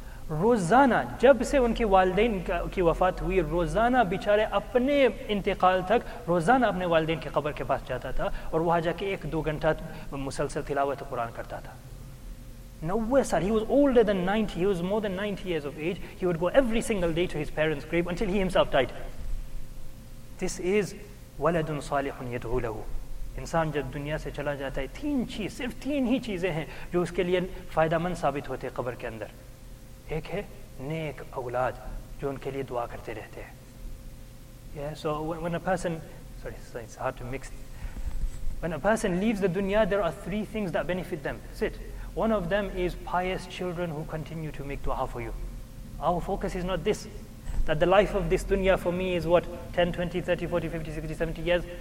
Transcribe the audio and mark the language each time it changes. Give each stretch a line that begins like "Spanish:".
Urdu: روزانہ جب سے ان کے والدین کی وفات ہوئی, روزانہ بیچارے اپنے انتقال تک روزانہ اپنے والدین کی قبر کے پاس جاتا تھا اور وہاں جا کے ایک دو گھنٹہ مسلسل تلاوت قرآن کرتا تھا. 90 سال,
English: he was more than 90 years of age. He would go every single day to his parents' grave until he himself died. This is
Arabic: وَلَدٌ صَالِحٌ يَدْعُو لَهُ.
Urdu: انسان جب دنیا سے چلا جاتا ہے, تین ہی چیزیں ہیں جو اس کے لیے فائدہ مند ثابت ہوتے ہیں قبر کے اندر. ایک ہے نیک اولاد جو ان کے لیے دعا کرتے رہتے ہیں.
English: Yeah, so when a person leaves the dunya, there are three things that benefit them. That's it. One of them is pious children who continue to make dua for you. Our focus is not this, that the life of this dunya for me is what, 10, 20, 30, 40, 50, 60, 70 years.